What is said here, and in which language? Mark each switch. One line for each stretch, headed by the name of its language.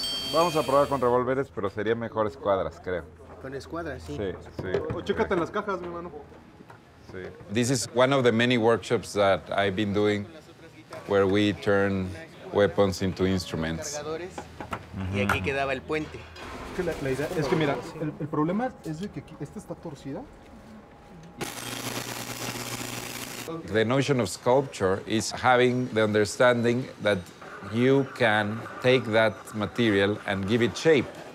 Spanish: Vamos a probar con revólveres, pero sería mejor escuadras, creo. Con escuadras, sí. Sí, sí. O chécate en las cajas, mi mano. Sí.
English: This is one of the many workshops that I've been doing where we turn weapons into instruments.
Spanish: Y aquí quedaba el puente. La idea es que, mira, el problema es de que aquí, esta está torcida.
English: The notion of sculpture is having the understanding that you can take that material and give it shape.